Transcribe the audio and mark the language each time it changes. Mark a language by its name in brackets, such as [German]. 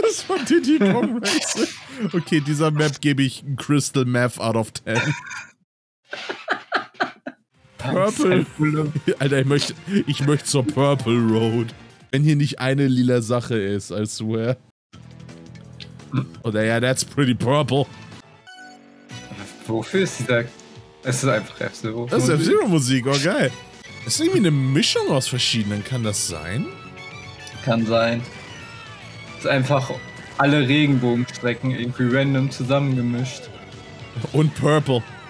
[German] Das war Diddy Kong Race. Okay, dieser Map gebe ich Crystal Meth [English] out of 10. [German] Purple. Alter, ich möchte zur Purple Road. Wenn hier nicht eine lila Sache ist, [English] I swear. [German] Oder ja, [English] that's pretty purple. [German] Wofür ist dieser... Es ist einfach F-Zero. Das ist F-Zero-Musik, oh geil. Das ist irgendwie eine Mischung aus verschiedenen, kann das sein? Kann sein. Das ist einfach alle Regenbogenstrecken irgendwie random zusammengemischt. Und purple.